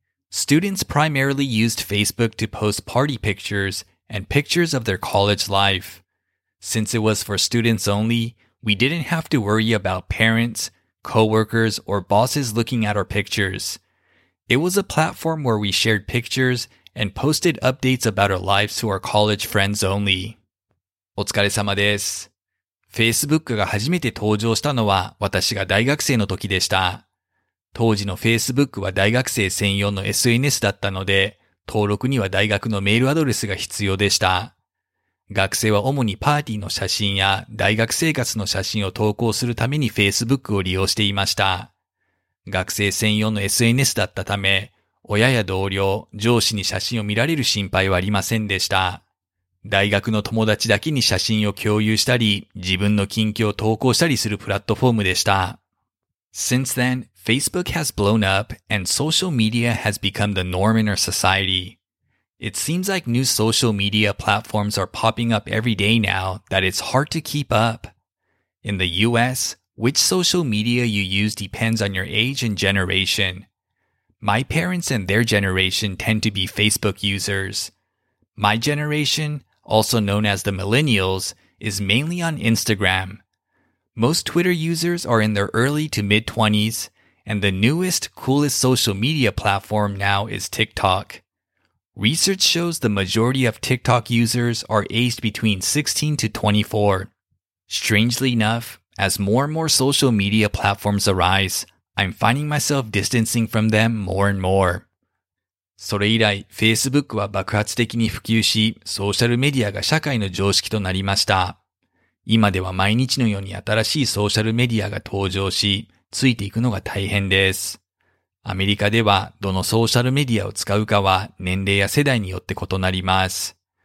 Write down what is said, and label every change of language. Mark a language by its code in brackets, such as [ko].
[en] Students primarily used Facebook to post party pictures and pictures of their college life. Since it was for students only, we didn't have to worry about parents, coworkers, or bosses looking at our pictures. It was a platform where we shared pictures and posted updates about our lives to our college friends only. [ja] お疲れ様です。 Facebook が初めて登場したのは私が大学生の時でした。当時の Facebook は大学生専用の SNS だったので、登録には大学のメールアドレスが必要でした。学生は主にパーティーの写真や大学生活の写真を投稿するために Facebook を利用していました。学生専用の SNS だったため、親や同僚、上司に写真を見られる心配はありませんでした。大学の友達だけに写真を共有したり、自分の近況を投稿したりするプラットフォームでした。 [en] Since then, Facebook has blown up and social media has become the norm in our society. It seems like new social media platforms are popping up every day now that it's hard to keep up. In the US, which social media you use depends on your age and generation. My parents and their generation tend to be Facebook users. My generation, also known as the millennials, is mainly on Instagram. Most Twitter users are in their early to mid-20s, and the newest, coolest social media platform now is TikTok. Research shows the majority of TikTok users are aged between 16 to 24. Strangely enough, as more and more social media platforms arise, I'm finding myself distancing from them more and more. [ja] それ以来、Facebook は爆発的に普及し、ソーシャルメディアが社会の常識となりました。今では毎日のように新しいソーシャルメディアが登場し、ついていくのが大変です。アメリカではどのソーシャルメディアを使うかは年齢や世代によって異なります。